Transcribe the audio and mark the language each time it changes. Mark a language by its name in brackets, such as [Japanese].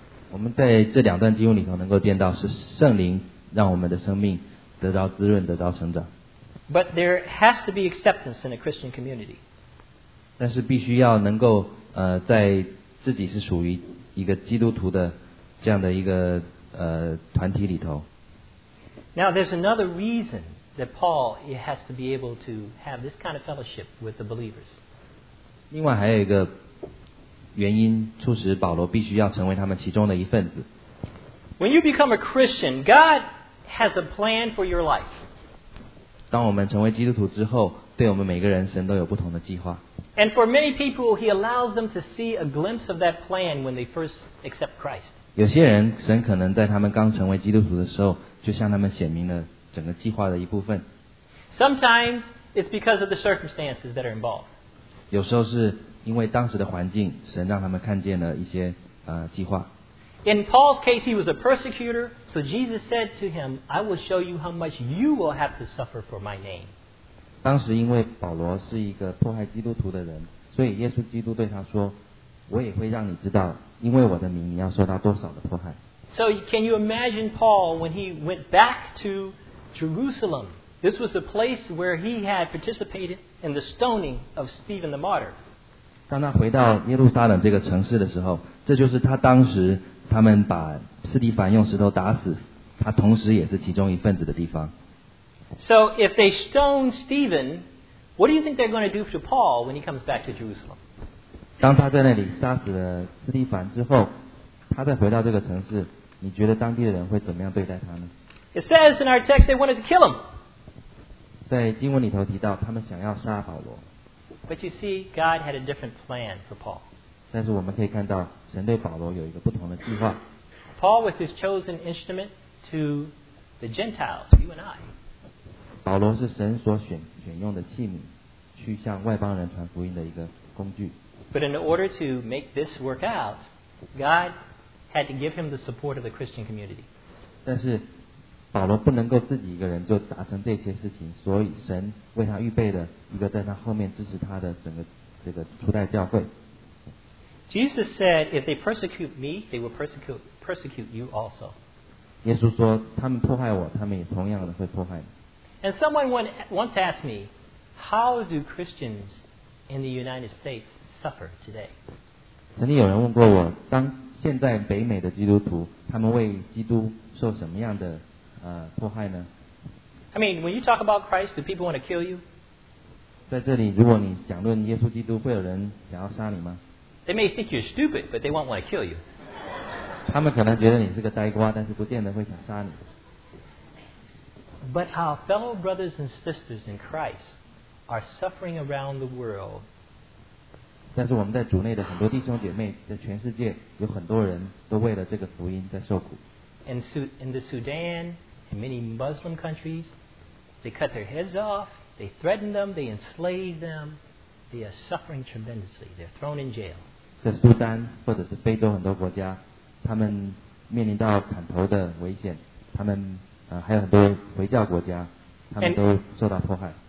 [Chinese] 我们在这两段经文里头能够见到是圣灵让我们的生命得到滋润，得到成长。 [English] But there has to be acceptance in a Christian community. [Chinese] 但是必须要能够在自己是属于一个基督徒的这样的一个团体里头。 [English] Now there's another reason that Paul has to be able to have this kind of fellowship with the believers. [Chinese] 另外还有一个原因促使保罗必须要成为他们其中的一份子。 [English] When you become a Christian, God has a plan for your life. [Chinese] 当我们成为基督徒之后，对我们每个人神都有不同的计划。 [English] And for many people, he allows them to see a glimpse of that plan when they first accept Christ. [Chinese] 有些人神可能在他们刚成为基督徒的时候就向他们显明了整个计划的一部分。 [English] Sometimes it's because of the circumstances that are involved. [Chinese] 有时候是因为当时的环境神让他们看见了一些计划。 [English] In Paul's case, he was a persecutor, so Jesus said to him, I will show you how much you will have to suffer for my name. [Chinese] 当时因为保罗是一个迫害基督徒的人，所以耶稣基督对他说，我也会让你知道，因为我的名你要受到多少的迫害。 [English] So can you imagine Paul when he went back to Jerusalem? This was the place where he had participated in the stoning of Stephen the Martyr. [Chinese] 当他回到耶路撒冷这个城市的时候，这就是他当时他们把斯蒂凡用石头打死，他同时也是其中一份子的地方。 [English] So if they stone Stephen, what do you think they're going to do to Paul when he comes back to Jerusalem? [Chinese] 当他在那里杀死了斯蒂凡之后，他再回到这个城市，你觉得当地的人会怎么样对待他呢？ [English] It says in our text they wanted to kill him. [Chinese] 在经文里头提到他们想要杀保罗。 [English] But you see, God had a different plan for Paul. [Chinese] 但是我们可以看到神对保罗有一个不同的计划。 [English] Paul was his chosen instrument to the Gentiles, you and I. [Chinese] 保罗是神所 选用的器皿，去向外邦人传福音的一个工具。 [English] But in order to make this work out, God had to give him the support of the Christian community. [Chinese] 但是保罗不能够自己一个人就达成这些事情，所以神为他预备了一个在他后面支持他的整个这个初代教会。 [English] Jesus said, if they persecute me, they will persecute you also. [Chinese] 耶稣说他们迫害我，他们也同样的会迫害你。 [English] And someone once asked me, how do Christians in the United States suffer today? [Chinese] 曾经有人问过我，当现在北美的基督徒他们为基督受什么样的迫害呢？ [English] I mean, when you talk about Christ, do people want to kill you? [Chinese] 在这里，如果你讲论耶稣基督，会有人想要杀你吗？ [English] They may think you're stupid, but they won't want to kill you. [Chinese] 他们可能觉得你是个呆瓜，但是不见得会想杀你。 [English] But our fellow brothers and sisters in Christ are suffering around the world. [Chinese] 但是我们在主内的很多弟兄姐妹，在全世界有很多人都为了这个福音在受苦。 [English] In the Sudan, in many Muslim countries, they cut their heads off, they threaten them, they enslave them, they are suffering tremendously, they're thrown in jail. [Chinese] 在苏丹或者是非洲很多国家，他们面临到砍头的危险，他们还有很多回教国家，他们都受到迫害。